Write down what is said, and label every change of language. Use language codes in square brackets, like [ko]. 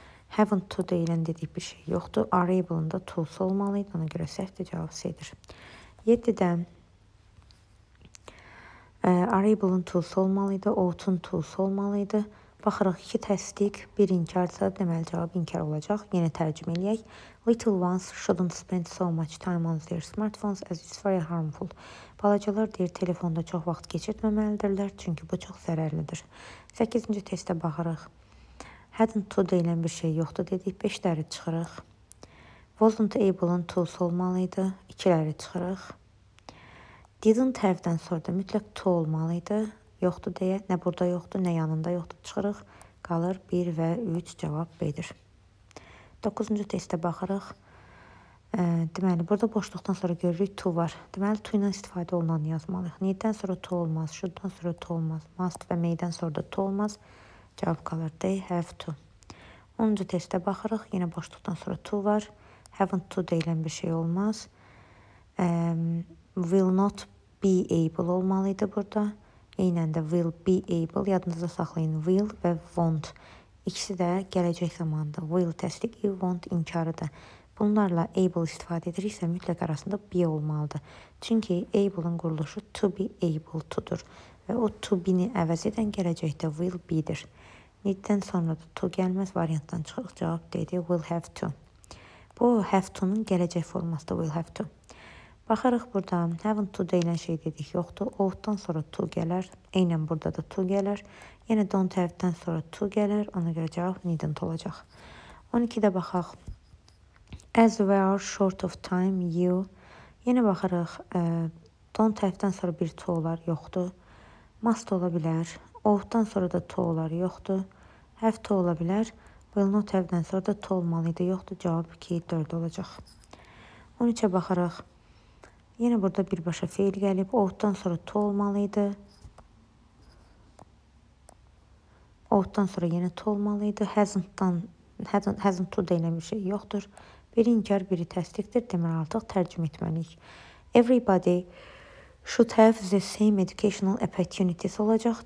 [az] Haven't to deyilən dedik bir şey yoxdur. Are able-ın da to-su olmalıydı. Ona görə səhv də cavab C-dir. 7-də are able-ın to-su olmalıydı. Ought-un to-su olmalıydı. Baxırıq, 2 təsdiq, 1 inkarsa deməli cavab inkar olacaq. Yenə tərcüm eləyək. [en] Little ones shouldn't spend so much time on their smartphones as it's very harmful. [az] Balacalar deyir, telefonda çox vaxt keçirtməməlidirlər, çünki bu çox zərərlidir. 8-ci testə baxırıq. Hadn't to deyilən bir şey yoxdur dedik. 5 dəri çıxırıq. Wasn't able-ın to-su olmalıydı. 2 dəri çıxırıq. Didn't have-dən sonra da mütləq to olmalıydı. Yoxdur deyə. Nə burada yoxdur, nə yanında yoxdur çıxırıq. Qalır 1 və 3 cavab B-dir. 9-cu testə baxırıq. Deməli, burada boşluqdan sonra görürük to var. Deməli, to ilə istifadə olunanı yazmalıyıq. Need-dən sonra to olmaz, should-dan sonra to olmaz, must və may-dən sonra da to olmaz. Cavab qalır, they have to. 10-cu testə baxırıq, yenə boşluqdan sonra to var. Haven't to deyilən bir şey olmaz. Will not be able olmalıydı burada. Eynən də will be able, yadınızda saxlayın will və won't. İkisi də gələcək zamanda will təsdiqi, won't inkarıdır. Bunlarla able istifadə ediriksə, mütləq arasında be olmalıdır. Çünki able-ın quruluşu to be able to-dur. Və o to be-ni əvəz edən gələcəkdə will be-dir. Need-dən sonra da to gəlməz, variantdan çıxıq, cavab dedi, will have to. Bu, have to-nun gələcək forması da will have to. Baxırıq burada, haven't to deyilən şey dedik, yoxdur. Ought-dan sonra to gələr, eynən burada da to gələr. Yenə don't have-dən sonra to gələr, ona görə cavab need-dən to olacaq. 12-də baxaq. [en] As we are short of time, you. [az] Yenə baxırıq, don't have-dən sonra bir to olar, yoxdur. Must ola bilər. Ought-dan sonra da to olar, yoxdur. Have to ola bilər. Will not have-dən sonra da to olmalıydı, yoxdur. Cavab 2, 4 olacaq. 13-ə baxırıq. Yenə burada birbaşa fiil gəlib. Ought-dan sonra to olmalıydı. ought-dan sonra yenə to olmalıydı. Hasn't to deyilən bir şey yoxdur. Biri inkar, biri təsdiqdir. Deməli, artıq tərcümə etməliyik. [en] Everybody should have the same educational opportunities [az] olacaq.